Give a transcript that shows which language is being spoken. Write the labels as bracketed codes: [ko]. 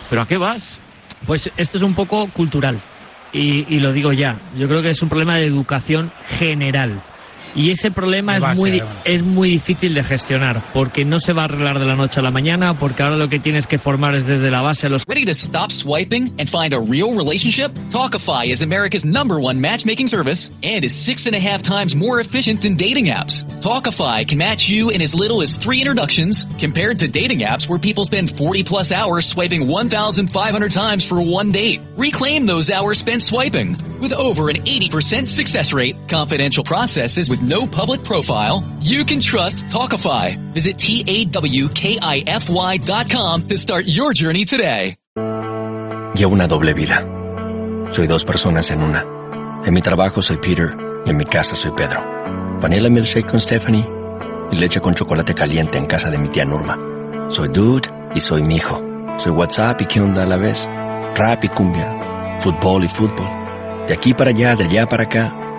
[es] ¿Pero a qué vas? Pues esto es un poco cultural. Y lo digo ya, yo creo que es un problema de educación general. Y ese problema es muy difícil de gestionar, porque no se va a arreglar de la noche a la mañana, porque ahora lo que tienes que formar es desde la base a los... [en] Ready to stop swiping and find a real relationship? Talkify is America's number one matchmaking service and is 6.5 times more efficient than dating apps. Talkify can match you in as little as 3 introductions compared to dating apps where people spend 40 plus hours swiping 1,500 times for one date. Reclaim those hours spent swiping. With over an 80% success rate, confidential processes with no public profile, you can trust Talkify. Visit TAWKIFY.com to start your journey today. [es] Llevo una doble vida. Soy dos personas en una. En mi trabajo soy Peter y en mi casa soy Pedro. Vanilla milkshake con Stephanie y leche con chocolate caliente en casa de mi tía Norma. Soy dude y soy mijo. Soy WhatsApp y qué onda a la vez. Rap y cumbia. Fútbol y fútbol. De aquí para allá, de allá para acá.